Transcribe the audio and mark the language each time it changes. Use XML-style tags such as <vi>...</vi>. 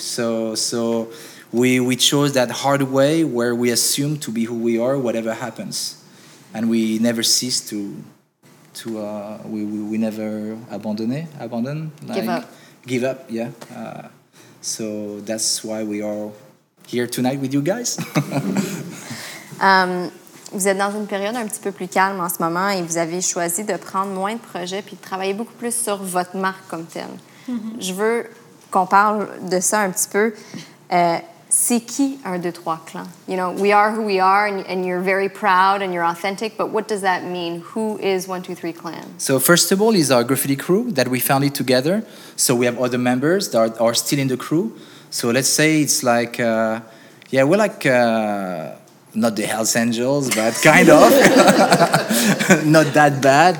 <en>So we chose that hard way where we assume to be who we are, whatever happens. And we never cease to we never abandon. Like, give up, yeah. So that's why we are here tonight with you guys.</en> <fr>Vous êtes dans une période un petit peu plus calme en ce moment et vous avez choisi de prendre moins de projets puis de travailler beaucoup plus sur votre marque comme telle. Mm-hmm. Je veux qu'on parle de ça un petit peu. c'est qui un 2-3 clan?</fr> <en>You know, we are who we are, and you're very proud and you're authentic, but what does that mean? Who is 1-2-3 clan? So first of all is our graffiti crew that we founded together. So we have other members that are still in the crew. So let's say it's like, we're like, not the Hells Angels, but kind of, not that bad.</en>